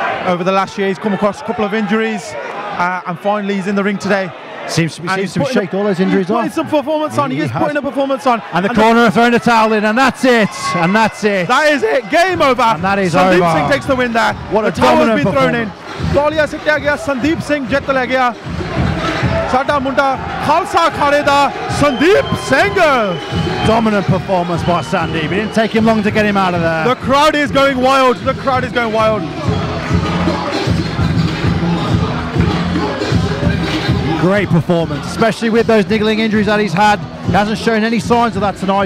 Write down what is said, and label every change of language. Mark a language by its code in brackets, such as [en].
[en] Over the last year, he's come across a couple of injuries. And finally, he's in the ring today. Seems to be shaking all those injuries off. He's putting some performance on. He is putting a performance on. And the corner are throwing a towel in. And that's it. And that's it. That is it. Game over. And that is Sandeep over. Sandeep Singh takes the win there. What the a towel has been thrown in. [pa] Dalia ਸਿੱਟਿਆ ਗਿਆ, ਸੰਦੀਪ ਸਿੰਘ ਜੇਤਾ ਲੈਗਿਆ. ਸਾਡਾ ਮੁੰਡਾ ਖਾਲਸਾ ਅਖਾੜੇ ਦਾ Sandeep Singh [en] Dominant performance by Sandeep. It didn't take him long to get him out of there. The crowd is going wild. The crowd is going wild. Great performance, especially with those niggling injuries that he's had. He hasn't shown any signs of that tonight.